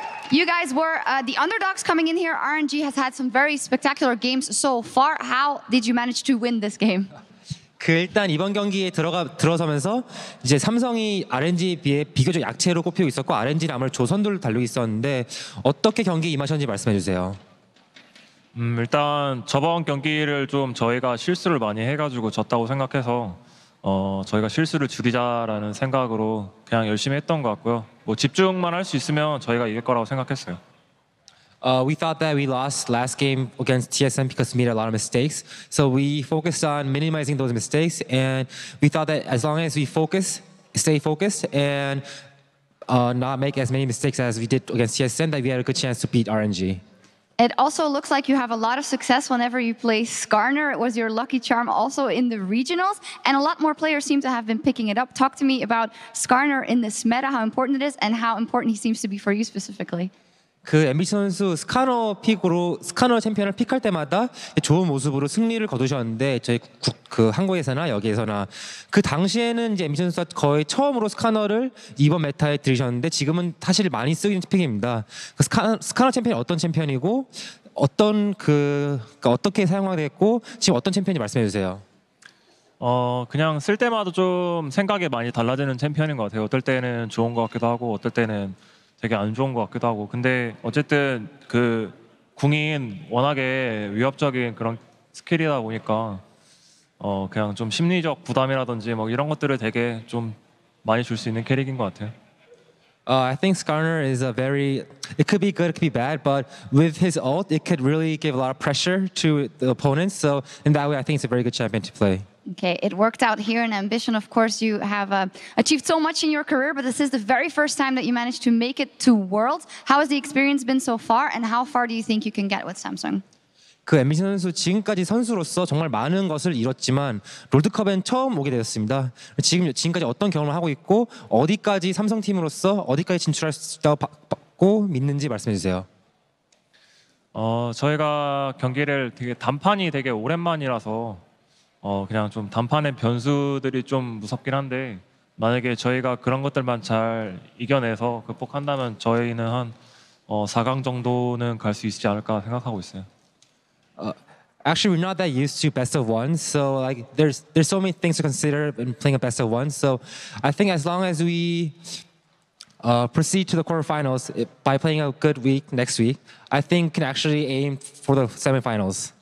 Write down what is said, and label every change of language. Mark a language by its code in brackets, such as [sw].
[en] You guys were the underdogs coming in here. RNG has had some very spectacular games so far. How did you manage to win this game? [ko] 그 일단 이번 경기에 들어서면서 이제 삼성이 RNG에 비해 비교적 약체로 꼽히고 있었고 RNG는 아무래도 조선두를 달리고 있었는데 어떻게 경기에 임하셨는지 말씀해 주세요. 일단 저번 경기를 좀 저희가 실수를 많이 해가지고 졌다고 생각해서 저희가 실수를 줄이자라는 생각으로 그냥 열심히 했던 것 같고요. 뭐 집중만 할 수 있으면 저희가 이길 거라고 생각했어요. [en] We thought that we lost last game against TSM because we made a lot of mistakes. So we focused on minimizing those mistakes. And we thought that as long as we focus, stay focused, and not make as many mistakes as we did against TSM, that we had a good chance to beat RNG. It also looks like you have a lot of success whenever you play Skarner. It was your lucky charm also in the regionals. And a lot more players seem to have been picking it up. Talk to me about Skarner in this meta, how important it is, and how important he seems to be for you specifically. [ko] 그 MBC 선수 스카너 픽으로 스카너 챔피언을 픽할 때마다 좋은 모습으로 승리를 거두셨는데 저희 그 한국에서나 여기에서나 그 당시에는 이제 MBC 선수가 거의 처음으로 스카너를 이번 메타에 들이셨는데 지금은 사실 많이 쓰이는 픽입니다. 그 스카너 챔피언이 어떤 챔피언이고 어떤 그러니까 어떻게 사용하겠고 지금 어떤 챔피언인지 말씀해 주세요. 그냥 쓸 때마다 좀 생각이 많이 달라지는 챔피언인 것 같아요. 어떨 때는 좋은 것 같기도 하고 어떨 때는 되게 안 좋은 것 같기도 하고 근데 어쨌든 그 궁인 워낙에 위협적인 그런 스킬이다 보니까 그냥 좀 심리적 부담이라든지 뭐 이런 것들을 되게 좀 많이 줄 수 있는 캐릭인 것 같아요. [en] I think Skarner is a very, it could be good, it could be bad, but with his ult, it could really give a lot of pressure to the opponents. So in that way, I think it's a very good champion to play. Okay, it worked out here in Ambition. Of course, you have achieved so much in your career, but this is the very first time that you managed to make it to Worlds. How has the experience been so far, and how far do you think you can get with Samsung? [ko] 그 MBC 선수 지금까지 선수로서 정말 많은 것을 이뤘지만 롤드컵엔 처음 오게 되었습니다. 지금까지 어떤 경험을 하고 있고 어디까지 삼성 팀으로서 어디까지 진출할 수 있다고 받고 믿는지 말씀해 주세요. 저희가 경기를 되게 단판이 되게 오랜만이라서 그냥 좀 단판의 변수들이 좀 무섭긴 한데 만약에 저희가 그런 것들만 잘 이겨내서 극복한다면 저희는 한 4강 정도는 갈 수 있지 않을까 생각하고 있어요. [en] Actually, we're not that used to best of one, so like there's so many things to consider in playing a best of one. So I think as long as we proceed to the quarterfinals by playing a good week next week, I think we can actually aim for the semifinals.